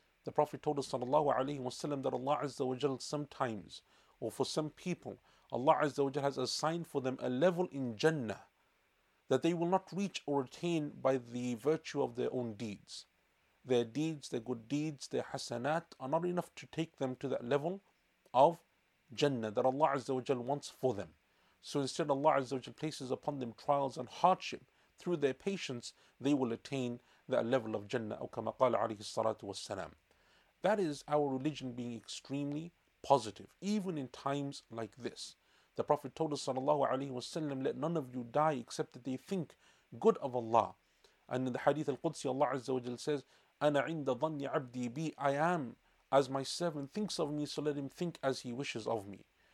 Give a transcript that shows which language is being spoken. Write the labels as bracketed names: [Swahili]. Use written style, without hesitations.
[English] The Prophet told us sallallahu alayhi wa sallam that Allah azza wa jal sometimes, or for some people, Allah Azza wa Jalla has assigned for them a level in Jannah that they will not reach or attain by the virtue of their own deeds. Their deeds, their good deeds, their hasanat are not enough to take them to that level of Jannah that Allah Azza wa Jalla wants for them. So instead, Allah Azza wa Jalla places upon them trials and hardship. Through their patience, they will attain that level of Jannah. [Arabic] أو كما قال عليه الصلاة والسلام. [English] That is our religion being extremely positive, even in times like this. The Prophet told us sallallahu alayhi wasallam, let none of you die except that they think good of Allah. And in the hadith al-Qudsi, Allah Azza wa Jal says, [Arabic] أنا عند ظن عبدي بي, [English] I am as my servant thinks of me, so let him think as he wishes of me.